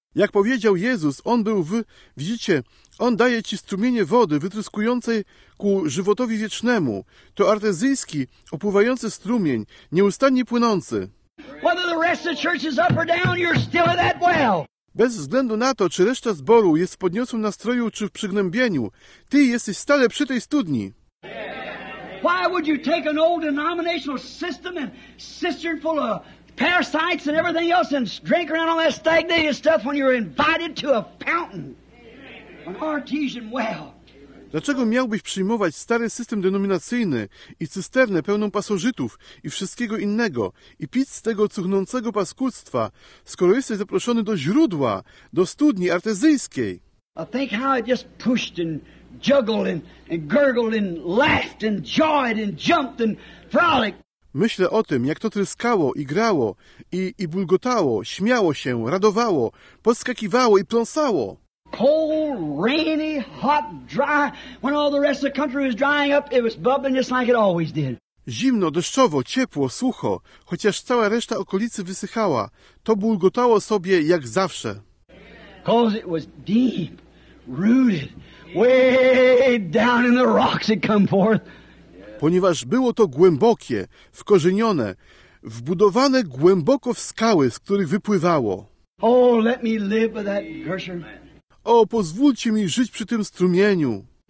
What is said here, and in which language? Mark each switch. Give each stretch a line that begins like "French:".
Polish: Jak powiedział Jezus, on był w, widzicie, on daje ci strumienie wody wytryskującej ku żywotowi wiecznemu. To artezyjski, opływający strumień, nieustannie płynący.
English: Whether the rest of the church is up or down, you're still in that well.
Polish: Bez względu na to, czy reszta zboru jest w podniosłym nastroju, czy w przygnębieniu, ty jesteś stale przy tej studni.
English: Why would you take an old denominational system and cistern full of parasites and everything else and drink around all that stagnated stuff when you're invited to a fountain, an artesian well?
Polish: Dlaczego miałbyś przyjmować stary system denominacyjny i cysternę pełną pasożytów i wszystkiego innego i pić z tego cuchnącego paskudztwa, skoro jesteś zaproszony do źródła, do studni artezyjskiej?
English: I think how I just pushed and juggled and gurgled and laughed and joyed and jumped and frolicked.
Polish: Myślę o tym, jak to tryskało i grało i bulgotało, śmiało się, radowało, podskakiwało i pląsało.
English: Cold, rainy, hot, dry. When all the rest of the country was drying up, it was bubbling just like it always did.
Polish: Zimno, deszczowo, ciepło, sucho. Chociaż cała reszta okolicy wysychała, to bulgotało sobie jak zawsze.
English: Cause it was deep, rooted, way down in the rocks it come forth.
Polish: Ponieważ było to głębokie, wkorzenione, wbudowane głęboko w skały, z których wypływało.
English: Oh, let me live by that Gershon.
Polish: O, pozwólcie mi żyć przy tym strumieniu.